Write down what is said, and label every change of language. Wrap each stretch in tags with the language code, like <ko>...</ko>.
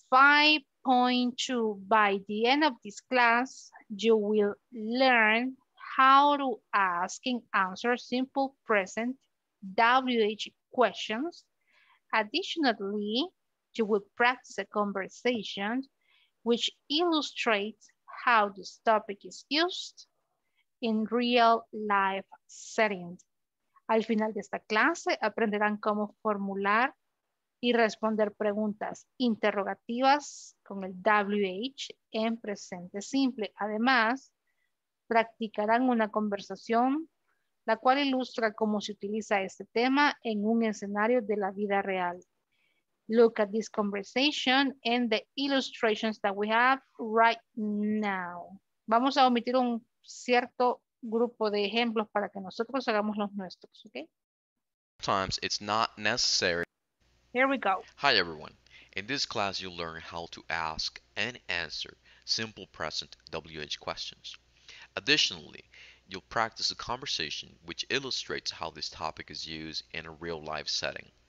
<en>5.2, by the end of this class, you will learn how to ask and answer simple present WH questions. Additionally, you will practice a conversation which illustrates how this topic is used in real life settings.</en> <es>Al final de esta clase, aprenderán cómo formular y responder preguntas interrogativas con el WH en presente simple. Además, practicarán una conversación, la cual ilustra cómo se utiliza este tema en un escenario de la vida real.</es> <en>look at this conversation and the illustrations that we have right now.</en> <es>Vamos a omitir un cierto grupo de ejemplos para que nosotros hagamos los nuestros, ¿okay?</es> <en>Sometimes it's not necessary. Here we go. Hi, everyone. In this class, you'll learn how to ask and answer simple present WH questions. Additionally, you'll practice a conversation which illustrates how this topic is used in a real-life setting.</en>